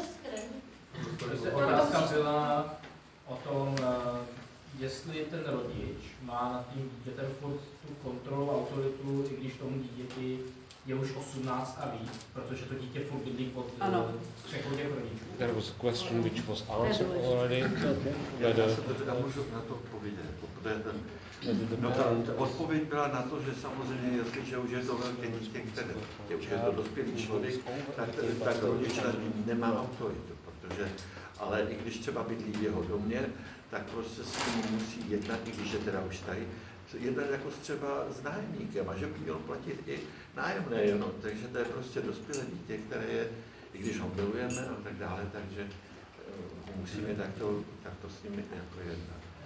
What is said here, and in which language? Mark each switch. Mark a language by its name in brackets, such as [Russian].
[Czech] skrý. Otázka byla o tom, jestli ten rodič má nad tím dítětem furt tu kontrolu a autoritu, i když tomu dítěti je už 18 a víc, protože to dítě furt bydlí pod přechodě rodičů. [English] There was a question which was answered already. [Czech] Já můžu na to odpovědět. No, ta odpověď byla na to, že samozřejmě, jestliže už je to velké dítě, které je už to dospělý člověk, tak rodič nad ním nemá autoritu, protože, ale i když třeba bydlí v jeho domě, tak prostě s ním musí jednat, i když je teda už tady, jednat jako třeba s nájemníkem, a že by měl platit i nájemné, no, takže to je prostě dospělé dítě, které je, i když ho milujeme a tak dále, takže musíme takto s ním jako jednat.